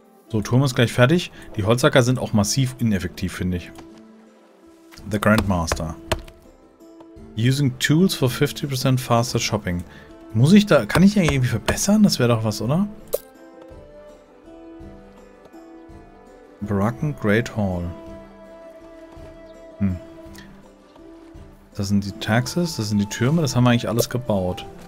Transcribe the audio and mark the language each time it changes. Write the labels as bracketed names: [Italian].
[German] So, Turm ist gleich fertig. Die Holzhacker sind auch massiv ineffektiv, finde ich. [English] The Grandmaster. Using tools for 50% faster shopping. [German] Muss ich da... Kann ich ja irgendwie verbessern? Das wäre doch was, oder? Baracken Great Hall. Das sind die Taxes, das sind die Türme, das haben wir eigentlich alles gebaut.